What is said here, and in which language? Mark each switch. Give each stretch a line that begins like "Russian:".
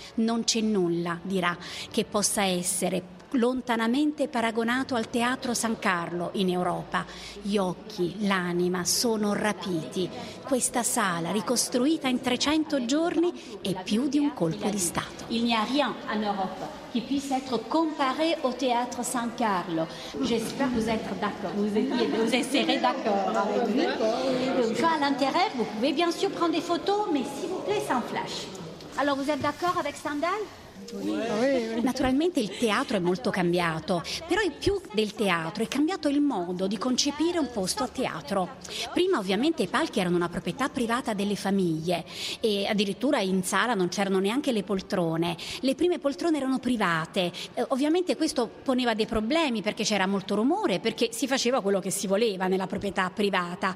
Italian: Non c'è nulla, dirà, che possa essere lontanamente paragonato al Teatro San Carlo in Europa. Gli occhi, l'anima sono rapiti. Questa sala ricostruita in 300 giorni è più di un colpo di Stato.
French: Il n'y a rien en Europe qui puisse être comparé au Teatro San Carlo. J'espère vous être d'accord. Vous essayerez d'accord avec nous. L'intérieur, vous pouvez bien sûr prendre des photos, mais s'il vous plaît, sans flash. Alors, vous êtes d'accord avec Stendhal?
Italian: Naturalmente il teatro è molto cambiato, però è più del teatro, è cambiato il modo di concepire un posto a teatro. Prima ovviamente i palchi erano una proprietà privata delle famiglie e addirittura in sala non c'erano neanche le poltrone. Le prime poltrone erano private, ovviamente questo poneva dei problemi perché c'era molto rumore, perché si faceva quello che si voleva nella proprietà privata.